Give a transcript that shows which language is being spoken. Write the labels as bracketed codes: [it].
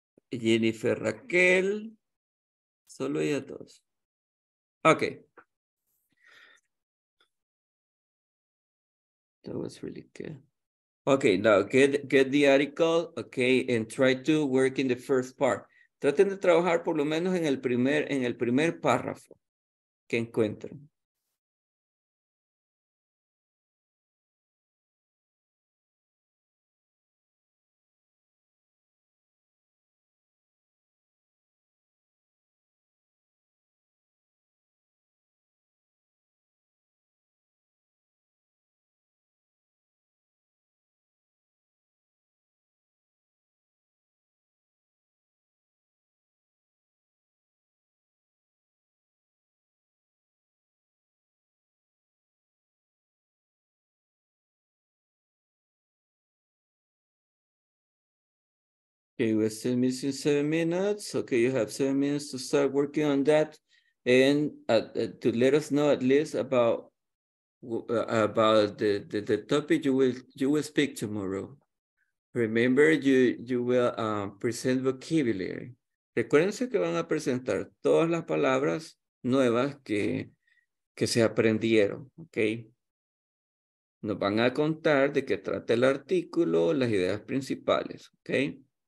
[es] Jennifer Raquel. Solo ella dos. Okay. [en] That was really good. Okay, now get the article, okay, and try to work in the first part. [es] Traten de trabajar por lo menos en el primer párrafo que encuentren. [en] Okay, we're still missing 7 minutes. Okay, you have 7 minutes to start working on that and to let us know at least about the topic you will speak tomorrow. Remember, you will present vocabulary. [es] Recuérdense que van a presentar todas las palabras nuevas que se aprendieron, okay? Nos van a contar de qué trata el artículo, las ideas principales, okay?